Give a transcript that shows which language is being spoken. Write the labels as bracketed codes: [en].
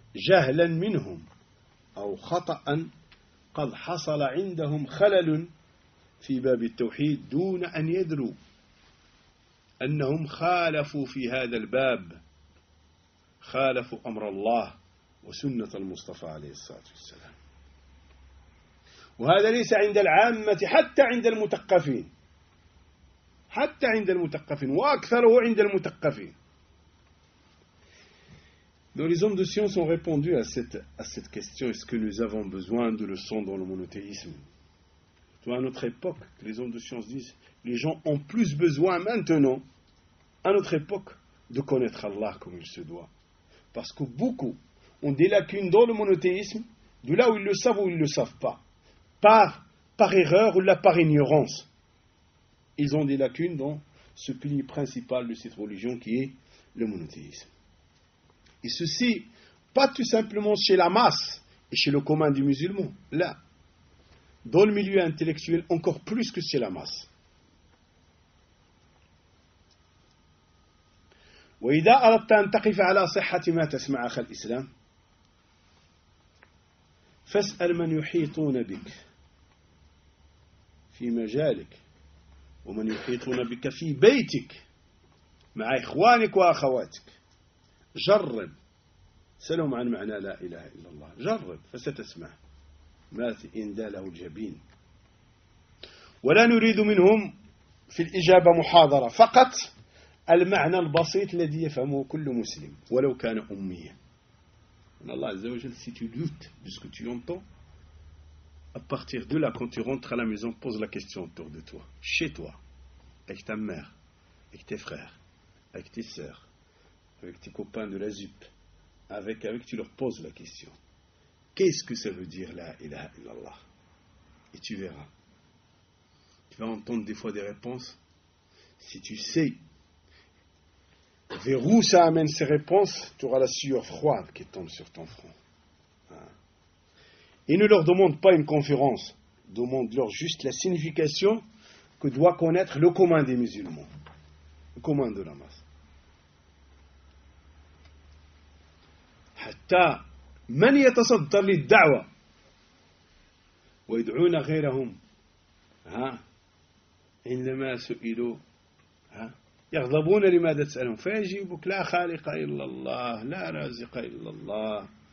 [ar] جهلا منهم أو خطأ قد حصل عندهم خلل في باب التوحيد دون أن يدروا أنهم خالفوا في هذا الباب خالفوا أمر الله وسنة المصطفى عليه الصلاة والسلام. وهذا ليس عند العامة, حتى عند المثقفين, حتى عند المثقفين وأكثره عند المثقفين. [fr] Donc les hommes de science ont répondu à cette question, est-ce que nous avons besoin de leçons dans le monothéisme? Donc à notre époque, les hommes de science disent, les gens ont plus besoin maintenant, à notre époque, de connaître Allah comme il se doit. Parce que beaucoup ont des lacunes dans le monothéisme, de là où ils le savent ou ils ne le savent pas. Par erreur ou là par ignorance. Ils ont des lacunes dans ce pilier principal de cette religion qui est le monothéisme. Et ceci, pas tout simplement chez la masse et chez le commun des musulmans, là, dans le milieu intellectuel, encore plus que chez la masse. [ar] وإذا أردت أن تقف على صحة ما تسمع أخ الإسلام فاسأل من يحيطون بك في مجالك ومن يحيطون بك في بيتك مع إخوانك وأخواتك. جرب سلم عن معنى لا إله إلا الله, جرب فستسمع ما إن داله الجبين. ولا نريد منهم في الإجابة محاضرة, فقط المعنى البسيط الذي يفهمه كل مسلم ولو كان أميا. إن الله عز وجل [fr] si tu doutes de ce que tu entends, à partir de là quand tu rentres à la maison, pose la question autour de toi, chez toi, avec ta mère, avec tes frères, avec tes sœurs, avec tes copains de la ZUP, avec tu leur poses la question. Qu'est-ce que ça veut dire, la ilaha illallah? Et tu verras. Tu vas entendre des fois des réponses. Si tu sais vers où ça amène ces réponses, tu auras la sueur froide qui tombe sur ton front. Et ne leur demande pas une conférence. Demande-leur juste la signification que doit connaître le commun des musulmans. commun de la masse. [ar] حتى من يتصدر للدعوة ويدعون غيرهم ها عندما سئلوا ها يغضبون لماذا تسألهم فيجيبك لا خالق إلا الله لا رازق إلا الله